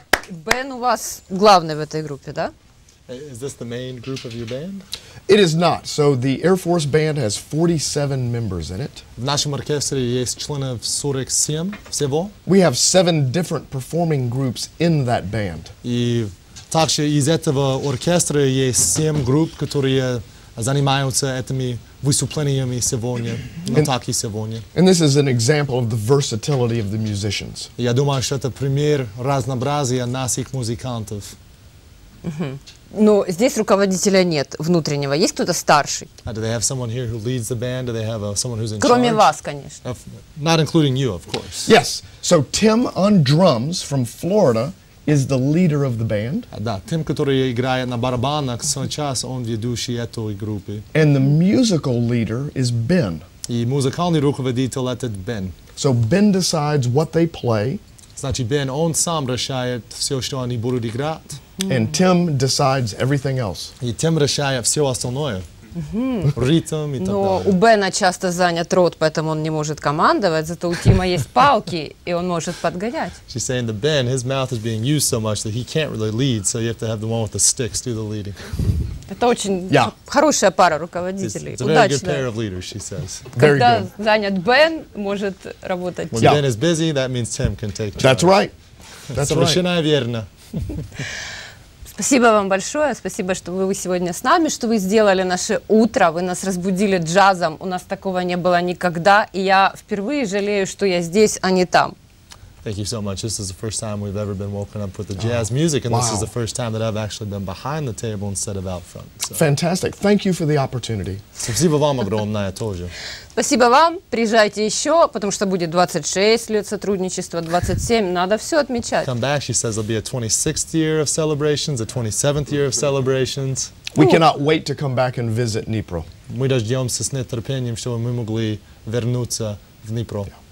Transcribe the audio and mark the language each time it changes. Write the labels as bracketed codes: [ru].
[ru] Бен, у вас главный в этой группе, да? [en] Is this the main group of your band? It is not. So the Air Force Band has 47 members in it. [ru] В нашем оркестре есть членов 47 всего. [en] We have 7 different performing groups in that band. [ru] И также из этого оркестра есть 7 групп, которые занимаются этими выступлениями сегодня, на таки сегодня. [en] And this is an example of the versatility of the musicians. [ru] Я думаю, что это пример разнообразия наших музыкантов. Но здесь руководителя нет внутреннего. Есть кто-то старший? [en] Do they have someone here who leads the band? Do they have someone who's in [ru] Кроме вас, конечно. [en] Not including you, of course. Yes. So Tim on drums from Florida is the leader of the band. [ru] Да, Тим, который играет на барабанах, сейчас он ведущий этой группы. [en] And the musical leader is Ben. [ru] И музыкальный руководитель это Ben. [en] So Ben decides what they play. [ru] Значит, Ben, он сам решает все, что они будут играть. [en] And Tim decides everything else. [ru] И Тим решает все остальное. Ритм и так Но далее. Но у Бена часто занят рот, поэтому он не может командовать, зато у Тима есть палки, и он может подгонять. [en] She's saying that Ben, his mouth is being used so much that he can't really lead, so you have to have the one with the sticks do the leading. [ru] Это очень хорошая пара руководителей. [en] It's a very good pair of leaders, she says. Very [ru] Когда [en] good. [ru] Занят Бен, может работать [en] When Ben is busy, that means Tim can take charge. That's right. That's [ru] Совершенно верно. Спасибо вам большое, спасибо, что вы сегодня с нами, что вы сделали наше утро, вы нас разбудили джазом, у нас такого не было никогда, и я впервые жалею, что я здесь, а не там. [en] Thank you so much. This is the first time we've ever been woken up with the jazz music, and this is the first time that I've actually been behind the table instead of out front. So. Fantastic. Thank you for the opportunity. [ru] Спасибо вам огромное тоже. Спасибо вам. Приезжайте еще, потому что будет 26 лет сотрудничества, 27. Надо все отмечать. [en] Come back. She says there'll be a 26th year of celebrations, a 27th year of celebrations. We cannot wait to come back and visit Dnipro. [ru] Мы дождемся с нетерпением, чтобы мы могли вернуться в Днепр.